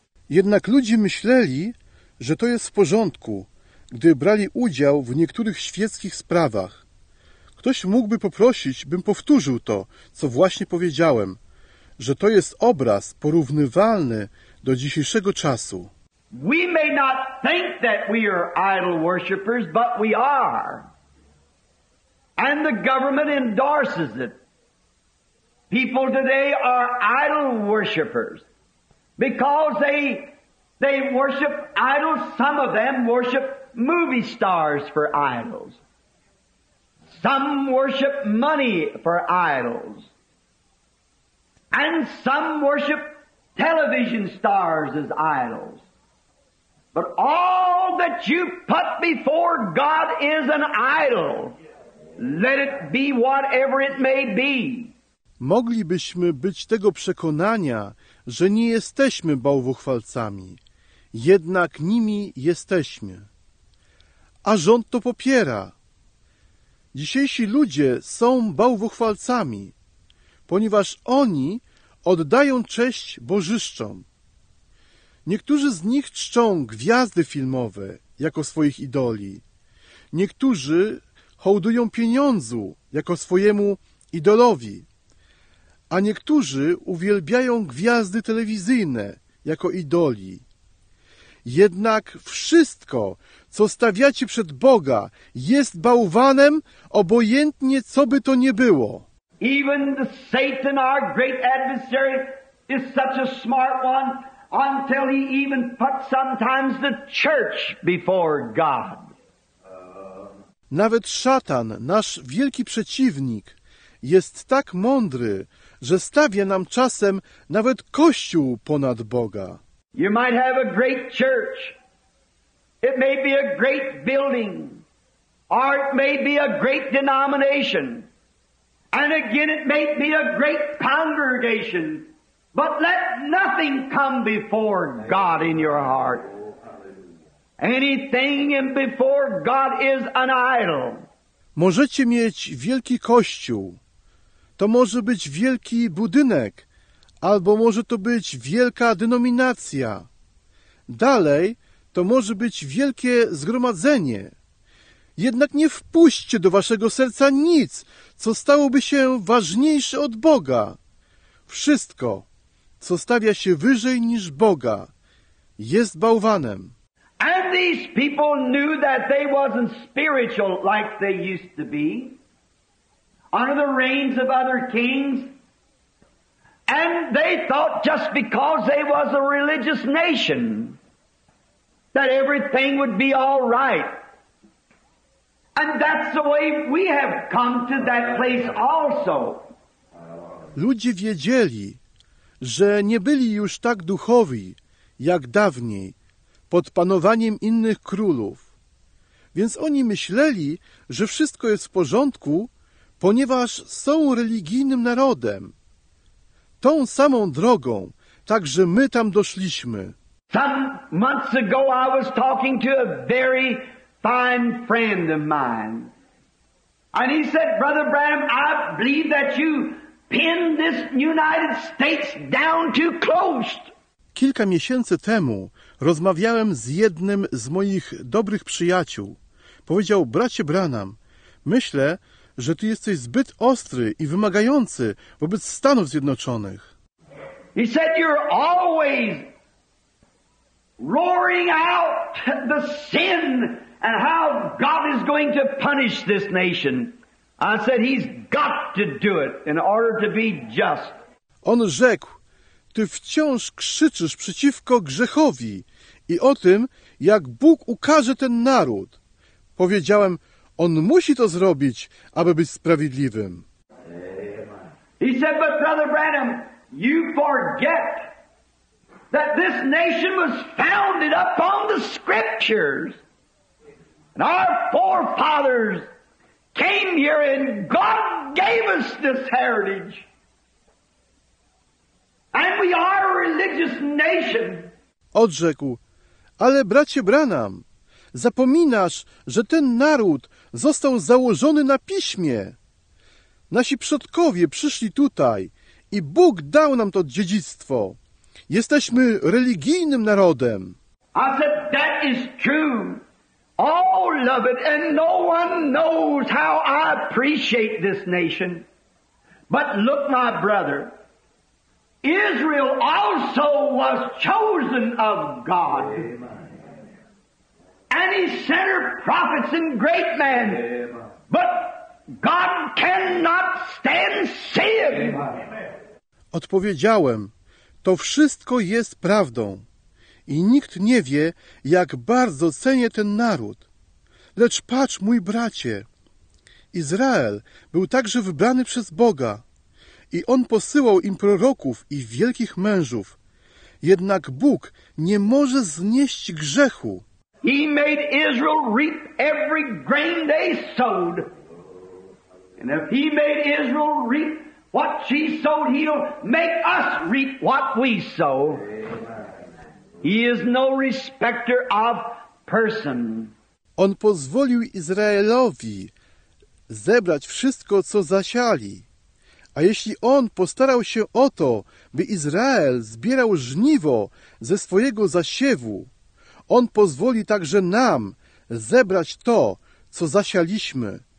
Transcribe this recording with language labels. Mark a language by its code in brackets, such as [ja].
[pl] Jednak ludzie myśleli, że to jest w porządku, gdy brali udział w niektórych świeckich sprawach. Ktoś mógłby poprosić, bym powtórzył to, co właśnie powiedziałem, że to jest obraz porównywalny do dzisiejszego czasu. [en] We may not think that we are idol worshippers, but we are. And the government endorses it. People today are idol worshippers because they worship idols. Some of them worship movie stars for idols. Some worship money for idols. And some worship television stars as idols. But all that you put before God is an idol. Let it be whatever it may be. [pl] Moglibyśmy być tego przekonania, że nie jesteśmy bałwochwalcami. Jednak nimi jesteśmy. A rząd to popiera. Dzisiejsi ludzie są bałwochwalcami, ponieważ oni oddają cześć bożyszczom. Niektórzy z nich czczą gwiazdy filmowe jako swoich idoli. Niektórzy hołdują pieniądzu jako swojemu idolowi. A niektórzy uwielbiają gwiazdy telewizyjne jako idoli. Jednak wszystko, co stawiacie przed Boga, jest bałwanem, obojętnie co by to nie było. [en] Even the Satan, our great adversary, is such a smart one, until he even put sometimes the church before God. [pl] Nawet szatan, nasz wielki przeciwnik, jest tak mądry, że stawia nam czasem nawet Kościół ponad Boga. [en] You might have a great church. It may be a great building. Or it may be a great denomination. And again, it may be a great congregation. But let nothing come before God in your heart. Anything in before God is an idol. [pl] Możecie mieć wielki kościół. To może być wielki budynek. Albo może to być wielka denominacja. Dalej, to może być wielkie zgromadzenie. Jednak nie wpuśćcie do waszego serca nic, co stałoby się ważniejsze od Boga. Wszystko, co stawia się wyżej niż Boga, jest bałwanem. [en] And these people knew that they wasn't spiritual like they used to be. Under the reigns of other kings. And they thought just because they was a religious nation that everything would be all right. And that's the way we have come to that place also. [pl] Ludzie wiedzieli, że nie byli już tak duchowi jak dawniej pod panowaniem innych królów. Więc oni myśleli, że wszystko jest w porządku, ponieważ są religijnym narodem. Tą samą drogą, także my tam doszliśmy. [en] Some months ago I was talking to a very fine friend of mine. And he said, Brother Branham, I believe that you pinned this United States down too close. [pl] Kilka miesięcy temu rozmawiałem z jednym z moich dobrych przyjaciół. Powiedział, bracie Branham, myślę, że ty jesteś zbyt ostry i wymagający wobec Stanów Zjednoczonych. [en] He said, you're always roaring out the sin and how God is going to punish this nation. I said, he's got to do it in order to be just. [pl] On rzekł, ty wciąż krzyczysz przeciwko grzechowi i o tym, jak Bóg ukaże ten naród. Powiedziałem, on musi to zrobić, aby być sprawiedliwym. [en] He said, but Brother Branham, you forget that this nation was founded upon the Scriptures. And our forefathers came here and God gave us this heritage. And we are a religious nation. [pl] Odrzekł, ale bracie Branham, zapominasz, że ten naród został założony na piśmie. Nasi przodkowie przyszli tutaj i Bóg dał nam to dziedzictwo. Jesteśmy religijnym narodem. [en] I said, that is true. Oh, love it, and no one knows how I appreciate this nation. But look, my brother, Israel also was chosen of God. And he sent her prophets and great men. But God cannot stand sin. [pl] Odpowiedziałem, to wszystko jest prawdą. I nikt nie wie, jak bardzo cenię ten naród. Lecz patrz, mój bracie, Izrael był także wybrany przez Boga. I On posyłał im proroków i wielkich mężów. Jednak Bóg nie może znieść grzechu. [en] He made Israel reap every grain they sowed. And if he made Israel reap what she sowed, he'll make us reap what we sow. He is no respecter of person. [pl] On pozwolił Izraelowi zebrać wszystko, co zasiali. A jeśli on postarał się o to, by Izrael zbierał żniwo ze swojego zasiewu, on pozwoli także nam zebrać to, co zasialiśmy.